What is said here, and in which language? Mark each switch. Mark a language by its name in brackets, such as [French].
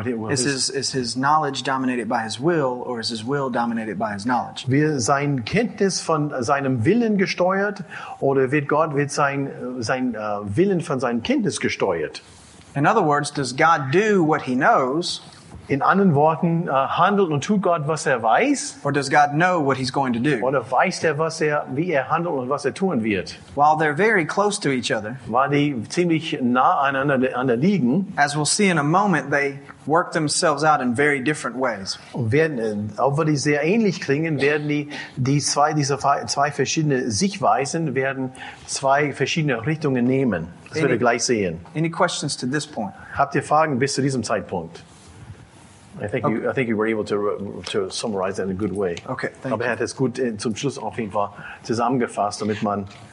[English] Is his knowledge dominated by his will, or is his will dominated by his knowledge? [German] Wird sein Kenntnis von seinem Willen gesteuert, oder wird sein Willen von seinem Kenntnis gesteuert? [English] In other words, does God do what he knows? [German] In anderen Worten, handelt und tut Gott, was er weiß? [English] Or does God know what he's going to do? [German] Oder weiß er, wie er handelt und was er tun wird? [English] While they're very close to each other, [German] weil die ziemlich nah aneinander liegen, [English] as we'll see in a moment, they work themselves out in very different ways. [German] Und obwohl die sehr ähnlich klingen, werden diese zwei verschiedene Sichtweisen werden zwei verschiedene Richtungen nehmen. Das werden wir gleich sehen. [English] Any questions to this point? [German] Habt ihr Fragen bis zu diesem Zeitpunkt? [English] I think you were able to summarize that in a good way. Okay, thank you. [German] Aber er hat es gut zum Schluss auf jeden Fall zusammengefasst, damit man